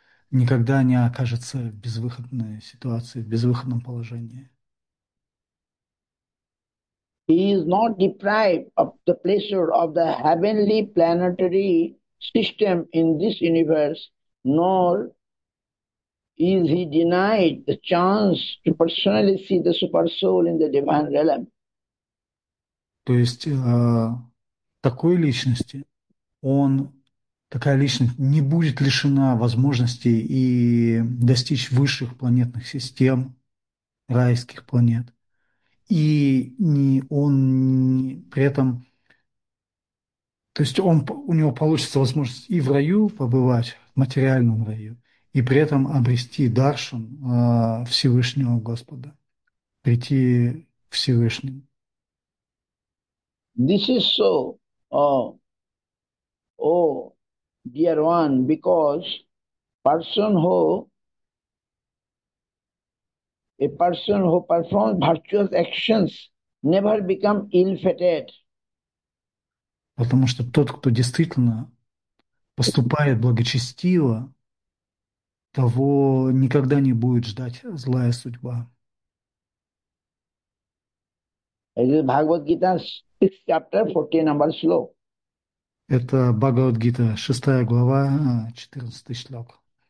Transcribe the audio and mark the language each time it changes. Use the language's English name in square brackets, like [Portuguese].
[Russian] Никогда не окажется в безвыходной ситуации, в безвыходном положении. [English] He is not deprived of the pleasure of the heavenly planetary system in this universe, nor is he denied the chance to personally see the super soul in the divine realm. [Russian] То есть такой личности он такая личность не будет лишена возможности и достичь высших планетных систем, райских планет. И не он не, при этом, то есть у него получится возможность и в раю побывать, в материальном раю, и при этом обрести даршан Всевышнего Господа, прийти Всевышним. [English] This is so, oh, dear one, because a person who performs virtuous actions never become ill-fated. [Russian] Потому что тот, кто действительно поступает благочестиво, того никогда не будет ждать злая судьба. Бхагавад-гита, Это Бхагавад-гита, 6-я глава, 14-й шлок.